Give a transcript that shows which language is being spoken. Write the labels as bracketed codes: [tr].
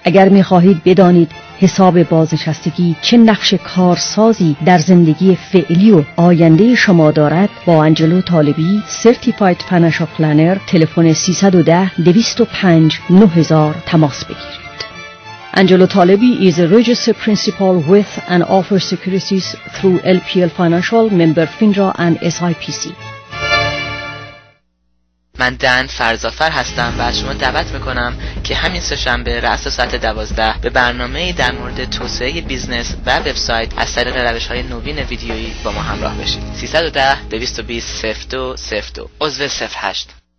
[fa] اگر می خواهید بدانید حساب بازنشستگی چه نقش کارسازی در زندگی فعلی و آینده شما دارد، با آنجلو طالبی سرتیفاید فینانشال پلنر تلفن 310-205-9000 تماس بگیرید. [en] Angelo Talebi is a registered principal with and offers securities through LPL Financial, member FINRA and SIPC. [fa] من دن فرزافر هستم و از شما دعوت میکنم که همین سه‌شنبه رأس ساعت 12 به برنامه‌ای در مورد توسعه بیزنس و وبسایت از طریق روش‌های نوین ویدیویی با ما همراه بشید. 310-220-0202 عضو 08.